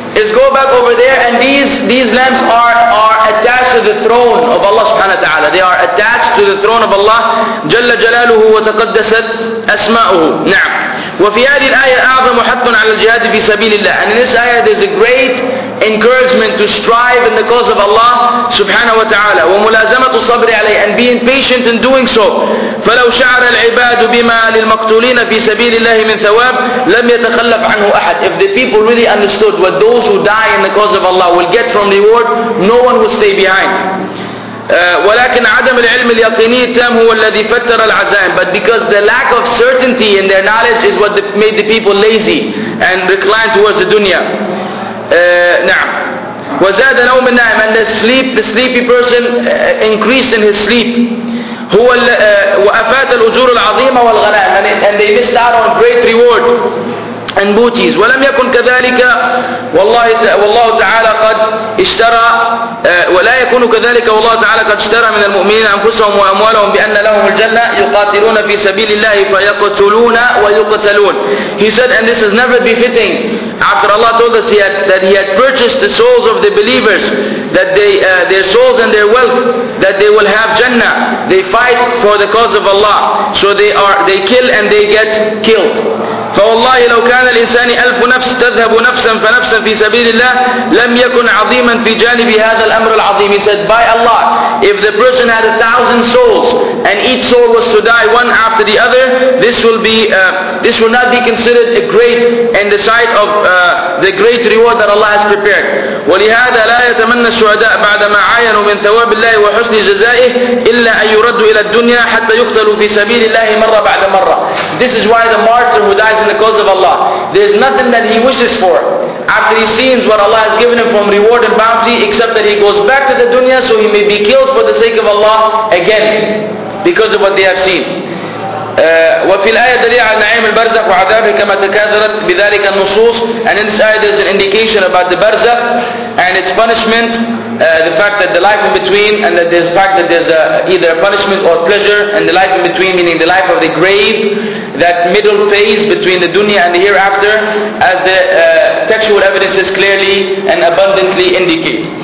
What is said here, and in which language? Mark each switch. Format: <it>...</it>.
<en>It goes back over there, and these lamps are attached to the throne of Allah subhanahu wa ta'ala. They are attached to the throne of Allah</en> <ar>جل جلاله وتقدست أسماؤه. نعم. وفي هذه الآية أعظم حث على الجهاد في سبيل الله.</ar> <en>And in this ayah there's a great encouragement to strive in the cause of Allah subhanahu wa ta'ala.</en> <ar>وملازمة الصبر عليه,</ar> <en>and being patient in doing so.</en> <ar>فلو شعر العباد بما للمقتولين في سبيل الله من ثواب لم يتخلف عنه أحد.</ar> <en>If the people really understood what those who die in the cause of Allah will get from reward, no one will stay behind.</en> <ar>ولكن عدم العلم اليقيني التام هو الذي فتر العزائم.</ar> <en>But because the lack of certainty in their knowledge is what made the people lazy and reclined towards the dunya.</en> <ar>نعم. وزاد نوم النائم,</ar> <en>and the sleepy person increased in his sleep.</en> <ar>هو وأفات الأجور العظيمة والغنائم,</ar> <en>and they missed out on great reward and booties.</en> <ar>ولم يكن كذلك والله تعالى قد اشترى ولا يكون كذلك والله تعالى قد اشترى من المؤمنين أنفسهم وأموالهم بأن لهم الجنة يقاتلون في سبيل الله فيقتلون ويقتلون.</ar> <en>He said, and this is never befitting. After Allah told us that he had purchased the souls of the believers, that their souls and their wealth, that they will have Jannah. They fight for the cause of Allah, so they kill and they get killed.</en> <ar>فوالله لو كان الإنسان ألف نفس تذهب نفسا فنفسا في سبيل الله لم يكن عظيما في جانب هذا الأمر العظيم.</ar> <en>He said, by Allah, if the person had 1,000 souls and each soul was to die one after the other, this will not be considered a great in the sight of the great reward that Allah has prepared.</en> <ar>ولهذا لا يتمنى الشهداء بعدما عاينوا من ثواب الله وحسن جزائه إلا أن يردوا إلى الدنيا حتى يقتلوا في سبيل الله مرة بعد مرة.</ar> <en>This is why the martyr who dies in the cause of Allah, there's nothing that he wishes for after he sees what Allah has given him from reward and bounty, except that he goes back to the dunya so he may be killed for the sake of Allah again because of what they have seen.</en> <ar>وفي الآية دليل على نعيم البرزخ وعذابه كما تكاثرت بذلك النصوص.</ar> <en>And in this ayah there's an indication about the barzakh and its punishment, the fact that the life in between, and that there's the fact that there's either punishment or pleasure, and the life in between meaning the life of the grave, that middle phase between the dunya and the hereafter, as the textual evidences clearly and abundantly indicate.</en>